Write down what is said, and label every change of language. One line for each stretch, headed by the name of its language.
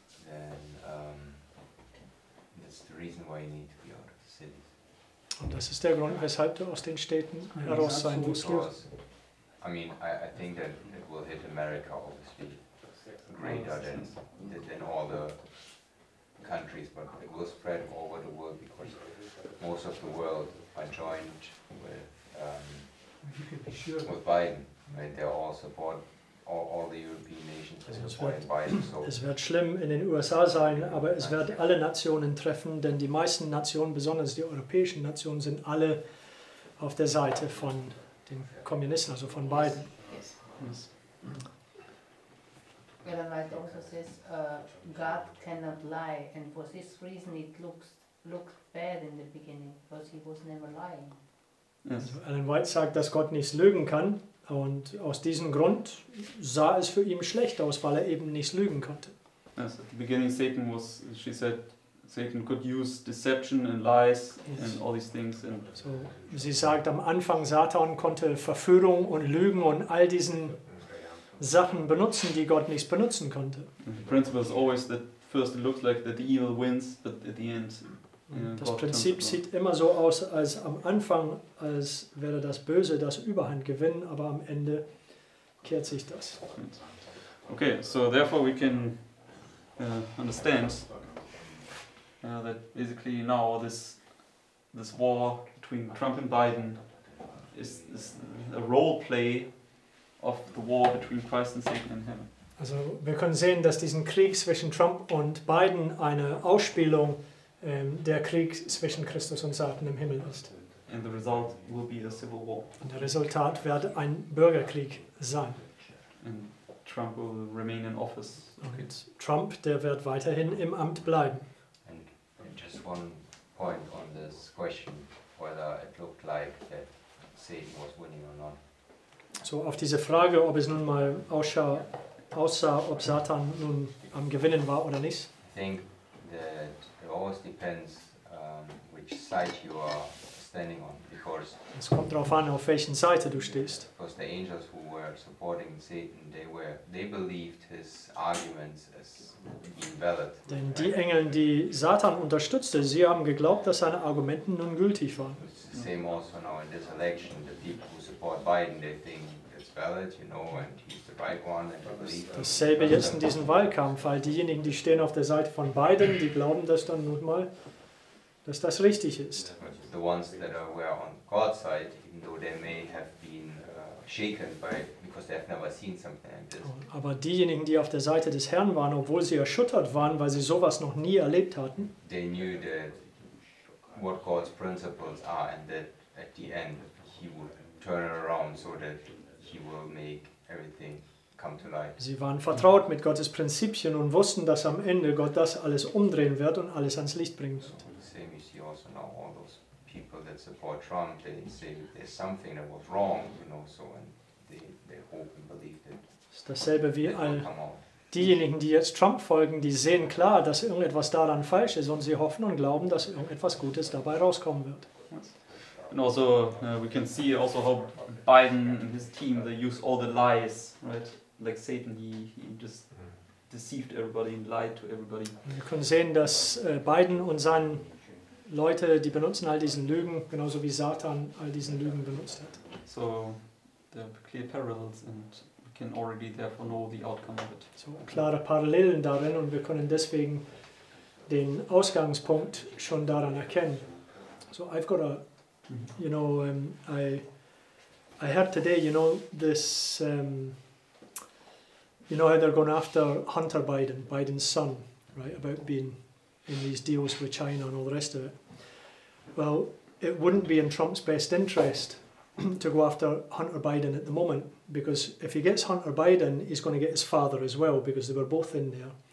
English: And that's the reason why you need to be out of the cities.
German: Und das ist der Grund, weshalb du aus den Städten heraus sein musst.
English: I mean, I think that it will hit America, obviously. Greater than all the countries, but it will spread over the world because most of the world are joined with Biden. Right? They all support all the European nations are supporting Biden. So
German: es wird schlimm in den USA sein, aber es wird alle Nationen treffen, denn die meisten Nationen, besonders die europäischen Nationen, sind alle auf der Seite von den Kommunisten, also von Biden.
English: Yes. Ellen White also says God cannot lie, and for this reason it looked bad in the beginning, because he was never lying. Yes.
German: Also Ellen White sagt, dass Gott nicht lügen kann, und aus diesem Grund sah es für ihn schlecht aus, weil er eben nicht lügen konnte.
English: Yes, at the beginning Satan was, she said, Satan could use deception and lies and all these things. And
German: so, sie sagt, am Anfang Satan konnte Verführung und Lügen und all diesen Sachen benutzen, die Gott nicht benutzen konnte.
English: The principle is always that first it looks like that the evil wins, but at the end, you know,
German: das Prinzip sieht immer so aus, als am Anfang, als wäre das Böse das Überhand gewinnen, aber am Ende kehrt sich das.
English: Okay, so therefore we can understand that basically now this war between Trump and Biden is a role play of the war between Christ and Satan in heaven.
German: Also wir können sehen, dass diesen Krieg zwischen Trump und Biden eine Ausspielung der Krieg zwischen Christus und Satan im Himmel ist.
English: And the result will be a civil war.
German: Und der Resultat wird ein Bürgerkrieg sein.
English: And Trump will remain in office. Okay.
German: Und Trump, der wird weiterhin im Amt bleiben.
English: And just one point on this question, whether it looked like that Satan was winning or not.
German: So auf diese Frage, ob es nun mal aussah, ob Satan nun am Gewinnen war oder nicht.
English: I think that it always depends which side you are standing on, because
German: es kommt darauf an, auf welchen Seite du stehst.
English: Because the angels who were supporting Satan, they believed his arguments as invalid.
German: Denn die Engel, die Satan unterstützte, sie haben geglaubt, dass seine Argumenten nun gültig waren.
English: It's the same also now in this election, the people who support Biden, they think it's valid, you know, and he's the right one, and they believe.
German: Dasselbe jetzt in diesem Wahlkampf, weil diejenigen, die stehen auf der Seite von Biden, die glauben, dass dann nun mal, dass das richtig ist.
English: The ones that were on God's side, even though they may have been shaken by, because they have never seen something like this.
German: Aber diejenigen, die auf der Seite des Herrn waren, obwohl sie erschüttert waren, weil sie sowas noch nie erlebt hatten,
English: they knew that what God's principles are, and that at the end he would turn it around so that he will make everything come to light.
German: Sie waren vertraut mit Gottes Prinzipien und wussten, dass am Ende Gott das alles umdrehen wird und alles ans Licht bringen wird.
English: Same you see also now all those people that support Trump, they say there's something that was wrong, you know, so and they hope and believe that.
German: Ist dasselbe wie all diejenigen, die jetzt Trump folgen, die sehen klar, dass irgendetwas daran falsch ist und sie hoffen und glauben, dass irgendetwas Gutes dabei rauskommen wird.
English: And also we can see also how Biden and his team, they use all the lies, right? Like Satan, he just deceived everybody and lied to everybody.
German: Wir können sehen, dass Biden und seine Leute, die benutzen all diesen Lügen, genauso wie Satan all diesen Lügen benutzt hat.
English: So there are clear parallels and we can already therefore know the outcome of it.
German: So klare Parallelen darin und wir können deswegen den Ausgangspunkt schon daran erkennen.
English: So I've got a, you know, I heard today, you know, this, you know how they're going after Hunter Biden, Biden's son, right, about being in these deals with China and all the rest of it. Well, it wouldn't be in Trump's best interest to go after Hunter Biden at the moment, because if he gets Hunter Biden, he's going to get his father as well, because they were both in there.